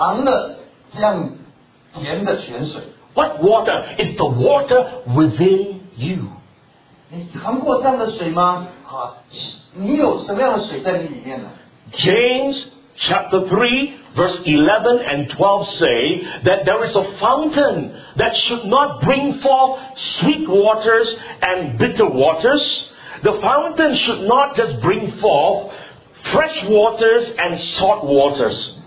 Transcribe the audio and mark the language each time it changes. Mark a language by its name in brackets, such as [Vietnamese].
[Chinese] 撒玛利亚妇人尝了这样甜的泉水。 [English] What water? It's the water within you. [Chinese] 你尝过这样的水吗? 你有什么样的水在你里面呢? [English] James chapter 3 verse 11 and 12 say that there is a fountain that should not bring forth sweet waters and bitter waters. The fountain should not just bring forth fresh waters and salt waters.